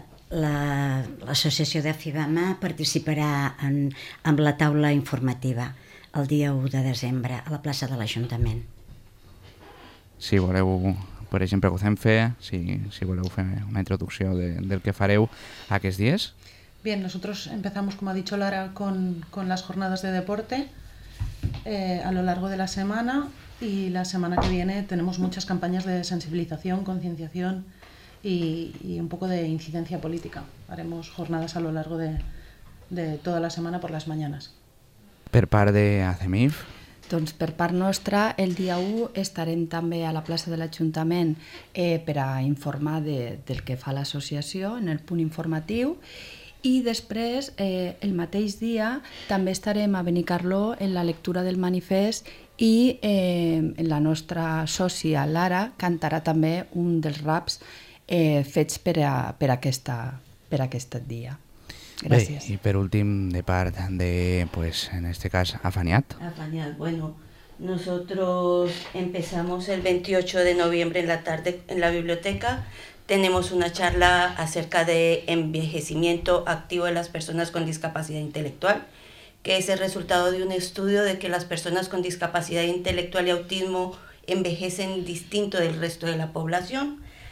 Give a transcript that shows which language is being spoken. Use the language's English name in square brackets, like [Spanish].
[Catalan] L'associació de FIBAMA participarà amb la taula informativa el dia 1 de desembre a la plaça de l'Ajuntament. Si voleu, per exemple, que ho fem fer, si voleu fer una introducció del que fareu aquests dies. [Spanish] Bien, nosotros empezamos, como ha dicho Lara, con las jornadas de deporte a lo largo de la semana, y la semana que viene tenemos muchas campañas de sensibilización, concienciación y un poco de incidencia política. Haremos jornadas a lo largo de toda la semana por las mañanas. [Catalan] Per part de ACEMIF? Doncs per part nostra, el dia 1 estarem també a la plaça de l'Ajuntament per a informar del que fa l'associació en el punt informatiu, i després el mateix dia també estarem a Benicarló en la lectura del manifest i la nostra sòcia Lara cantarà també un dels raps fets per aquest dia. Gràcies. Bé, i per últim, de part de, pues, en este cas, Afaniat. [Spanish] Afaniat, bueno, nosotros empezamos el 28 de noviembre en la tarde en la biblioteca. Tenemos una charla acerca de envejecimiento activo de las personas con discapacidad intelectual, que es el resultado de un estudio de que las personas con discapacidad intelectual y autismo envejecen distinto del resto de la población.